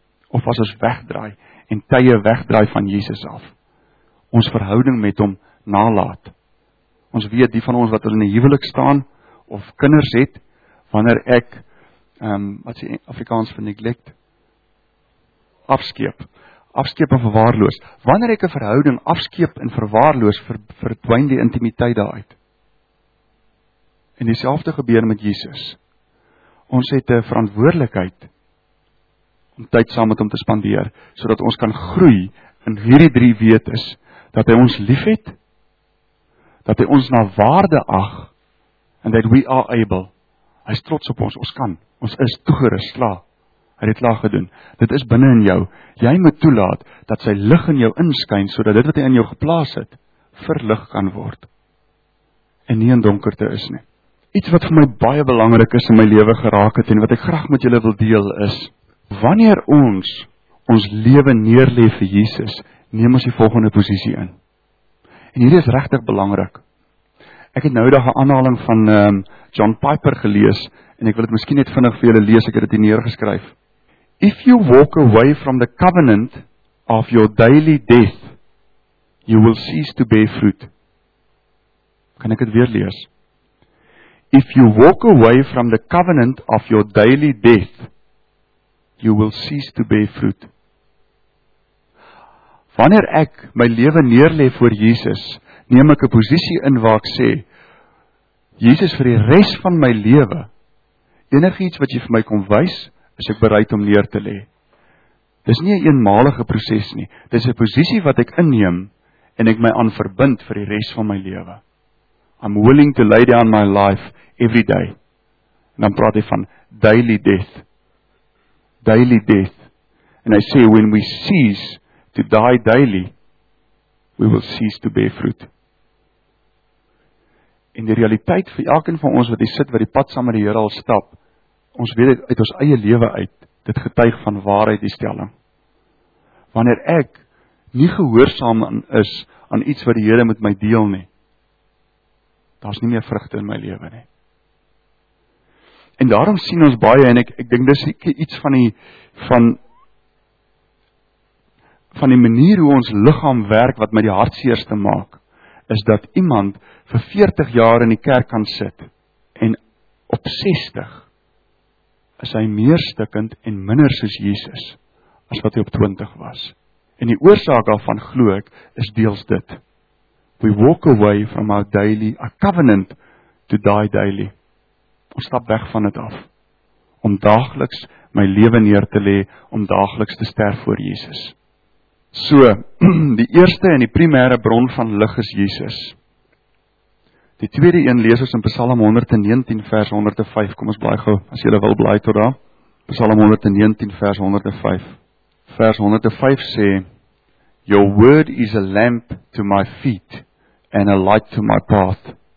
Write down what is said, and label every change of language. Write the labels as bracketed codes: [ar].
[af] Of as ons wegdraai en tye wegdraai van Jesus af. Ons verhouding met hom nalaat. Ons weet die van ons wat in die huwelik staan of kinders het, wanneer ek wat sê Afrikaans vir neglect, afskeep en verwaarloos. Wanneer ek 'n verhouding afskeep en verwaarloos, verdwyn die intimiteit daaruit. En dieselfde gebeur met Jesus. Ons het 'n verantwoordelikheid om tyd saam met hom te spandeer, sodat ons kan groei in hierdie drie wetes, dat hy ons liefhet, dat hy ons na waarde ag, and that we are able. Hy is trots op ons, ons kan, ons is toegerus, sla. Hy het klaar gedoen. Dit is binne in jou. Jy moet toelaat dat sy lig in jou inskyn, sodat dit wat hy in jou geplaas het, verlig kan word. En nie in donkerte is nie. Iets wat vir my baie belangrik is in my lewe geraak het en wat ek graag met julle wil deel is, wanneer ons lewe neerlê vir Jesus, neem ons die volgende posisie in. En hier is regtig belangrik. Ek het nou 'n aanhaling van John Piper gelees en ek wil dit miskien net vinnig vir julle lees, ek het dit hier neergeskryf. [en] If you walk away from the covenant of your daily death, you will cease to bear fruit. Kan ek dit weer lees? If you walk away from the covenant of your daily death, you will cease to bear fruit. [af] Wanneer ek my lewe neerlê voor Jesus, neem ek 'n posisie in waar ek sê, Jesus, vir die res van my lewe, enigiets wat jy vir my kom wys, is ek bereid om neer te lê. Dis nie 'n eenmalige proses nie, dis 'n posisie wat ek inneem en ek my aan verbind vir die res van my lewe. [en] I'm willing to lay down my life every day. En dan praat hy van daily death. Daily death. And I say, when we cease to die daily, we will cease to bear fruit. [af] En die realiteit vir elkeen van ons wat hier sit, wat die pad saam met die Here al stap, ons weet dit uit ons eie lewe uit, dit getuig van waarheid die stelling. Wanneer ek nie gehoorsaam is aan iets wat die Here met my deel nie, daar's nie meer vrugte in my lewe nie. En daarom sien ons baie, en ek dink dis iets van die manier hoe ons liggaam werk, wat my die hartseerste maak, is dat iemand vir 40 jaar in die kerk kan sit, en op 60 is hy meer stikkend en minder soos Jesus, as wat hy op 20 was. En die oorsaak daarvan, glo ek, is deels dit. We walk away from our daily, a covenant to die daily. Ons stap weg van dit af. Om dagliks my lewe neer te lê, om dagliks te sterf voor Jesus. So, die eerste en die primêre bron van lig is Jesus. Die tweede een lees ons in Psalm 119 vers 105. Kom ons blaai gou, as jy wil blaai tot daar. Psalm 119 vers 105. [en] Vers 105 sê, Your word is a lamp to my feet and a light to my path.